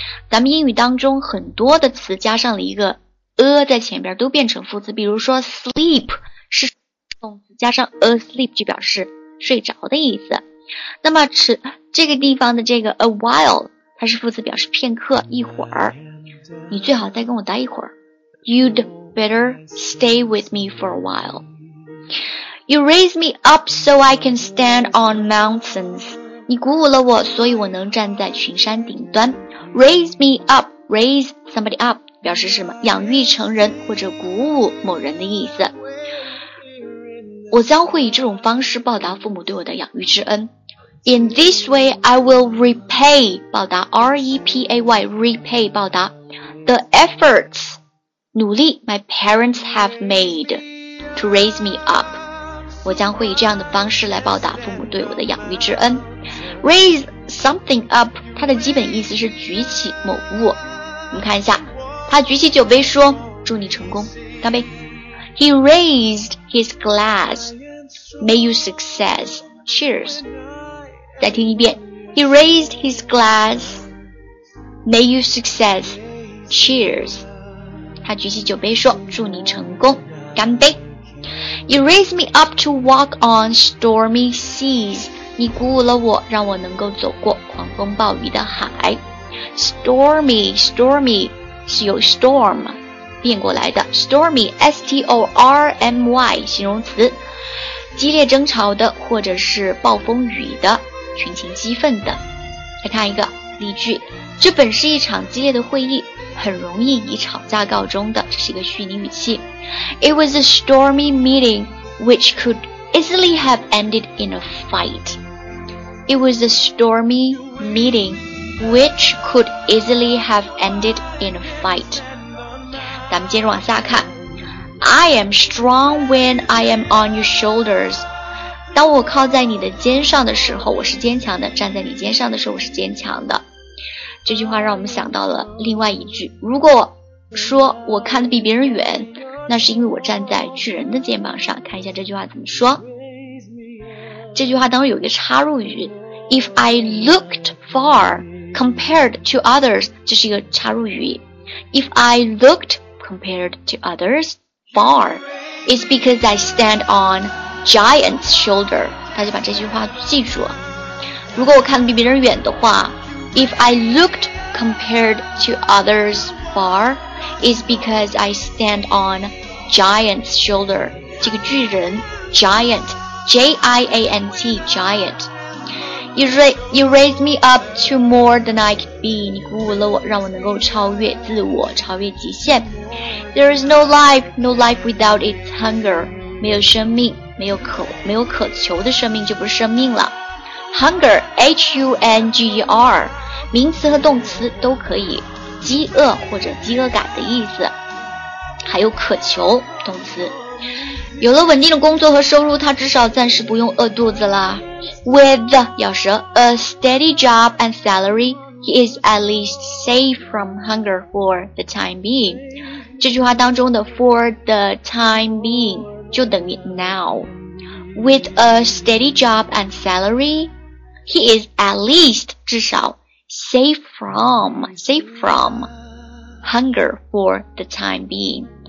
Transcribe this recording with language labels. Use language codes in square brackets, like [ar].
[zh] 咱们英语当中很多的词加上了一个 a 在前边都变成副词，比如说 sleep 是动词，加上 a sleep 就表示睡着的意思。那么这个地方的这个 a while，它是副词，表示片刻，一会儿。你最好再跟我待一会儿。 [en] You'd better stay with me for a while. You raise me up so I can stand on mountains. [zh] 你鼓舞了我，所以我能站在群山顶端。 [en] Raise me up, raise somebody up, [zh] 表示什么？养育成人或者鼓舞某人的意思。我将会以这种方式报答父母对我的养育之恩。 [en] In this way, I will repay, 报答 R-E-P-A-Y, repay, 报答 the efforts, 努力 my parents have made to raise me up. [zh] 我将会以这样的方式来报答父母对我的养育之恩。 [en] Raise something up, [zh] 它的基本意思是举起某物。我们看一下他举起酒杯说，祝你成功，干杯。 [en] He raised his glass. May you success. Cheers. [zh] 再听一遍。 [en] He raised his glass. May you success. Cheers. [zh] 他举起酒杯说，祝你成功，干杯。 [en] You raised me up to walk on stormy seas. [zh] 你鼓舞了我，让我能够走过狂风暴雨的海。 Stormy, stormy 是由 storm 变过来的。 Stormy, S-T-O-R-M-Y 形容词，激烈争吵的或者是暴风雨的，群情激愤的。再看一个例句，这本是一场激烈的会议，很容易以吵架告终的，这是一个虚拟语气。 [en] It was a stormy meeting which could easily have ended in a fight. It was a stormy meetingwhich could easily have ended in a fight. [zh] 咱们接着往下看。 [en] I am strong when I am on your shoulders. [zh] 当我靠在你的肩上的时候，我是坚强的，站在你肩上的时候，我是坚强的。这句话让我们想到了另外一句，如果说我看得比别人远，那是因为我站在巨人的肩膀上。看一下这句话怎么说。这句话当中有一个插入语， [en] If I looked farCompared to others, [zh] 这是一个插入语。 [en] If I looked compared to others far, it's because I stand on giant's shoulder. [zh] 大家把这句话记住。如果我看得比别人远的话， [en] If I looked compared to others far, it's because I stand on giant's shoulder. [zh] 这个巨人 giant, G-I-A-N-T, giant. [en] You raise me up to more than I could be. [zh] 你鼓舞了我，让我能够超越自我，超越极限。 [en] There is no life without its hunger. [zh] 没有生命，没有渴求的生命就不是生命了。 Hunger, H-U-N-G-E-R, 名词和动词都可以，饥饿或者饥饿感的意思。还有渴求，动词。有了稳定的工作和收入，他至少暂时不用饿肚子啦。 [en] With, 咬舌， a steady job and salary, he is at least safe from hunger for the time being. [zh] 这句话当中的 for the time being 就等于 now. [en] With a steady job and salary, he is at least, 至少 safe from hunger for the time being.